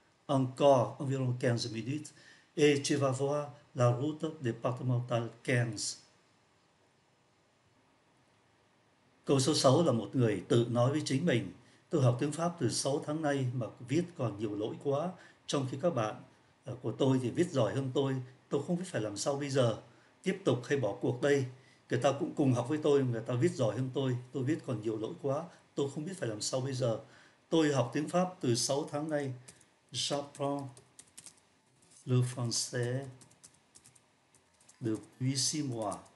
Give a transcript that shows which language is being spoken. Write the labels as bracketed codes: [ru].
[fr] Encore environ 15 minutes. Et tu vas voir la route départementale 15. [vi] Câu số 6 là một người tự nói với chính mình. Tôi học tiếng Pháp từ 6 tháng nay mà viết còn nhiều lỗi quá. Trong khi các bạn của tôi thì viết giỏi hơn tôi không biết phải làm sao bây giờ. Tiếp tục hay bỏ cuộc đây? Người ta cũng cùng học với tôi, người ta viết giỏi hơn tôi viết còn nhiều lỗi quá. Tôi không biết phải làm sao bây giờ. Tôi học tiếng Pháp từ 6 tháng nay. [fr] J'apprends le français depuis 6 mois.